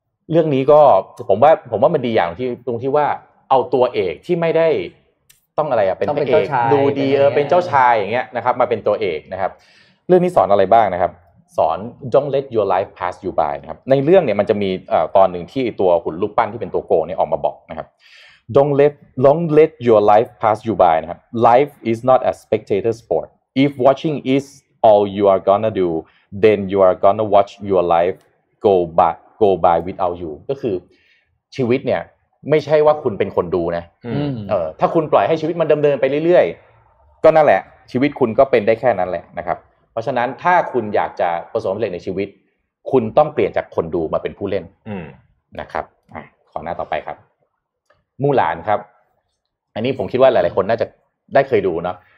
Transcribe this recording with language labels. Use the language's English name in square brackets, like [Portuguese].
[Thai] เรื่องนี้ก็ผมว่ามันดีอย่างที่ตรงที่ว่าเอาตัวเอกที่ไม่ได้ต้องอะไรอ่ะเป็นพระเอกดูดีเป็นเจ้าชายอย่างเงี้ยนะครับมาเป็นตัวเอกนะครับเรื่องนี้สอนอะไรบ้างนะครับสอน [English] Don't let your life pass you by [Thai] นะครับในเรื่องเนี่ยมันจะมีตอนนึงที่ตัวหุ่นรูปปั้นที่เป็นตัวโกเนี่ยออกมาบอกนะครับDon't let your life pass you by นะครับ [English] Life is not a spectator sport. If watching is all you are gonna do, then you are gonna watch your life go by without you. [Thai] ก็คือชีวิตเนี่ยไม่ใช่ว่าคุณเป็นคนดูนะถ้าคุณปล่อยให้ชีวิตมันดำเนินไปเรื่อยๆก็นั่นแหละชีวิตคุณก็เป็นได้แค่นั้นแหละนะครับเพราะฉะนั้นถ้าคุณอยากจะประสบผลสำเร็จในชีวิตคุณต้องเปลี่ยนจากคนดูมาเป็นผู้เล่นนะครับขอหน้าต่อไปครับมู่หลานครับอันนี้ผมคิดว่าหลายๆคนน่าจะได้เคยดูเนาะ